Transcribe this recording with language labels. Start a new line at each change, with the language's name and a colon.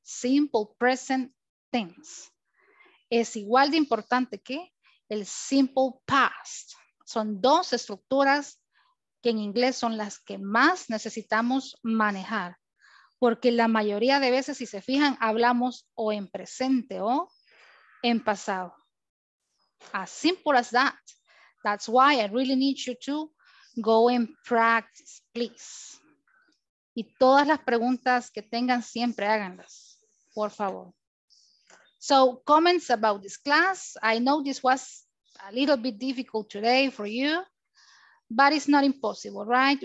Spanish: Simple present tense. Es igual de importante que el simple past. Son dos estructuras que en inglés son las que más necesitamos manejar. Porque la mayoría de veces, si se fijan, hablamos o en presente o en pasado.
English: As simple as that. That's why I really need you to go and practice, please.
Spanish: Y todas las preguntas que tengan, siempre háganlas, por favor.
English: So comments about this class. I know this was a little bit difficult today for you, but it's not impossible, right?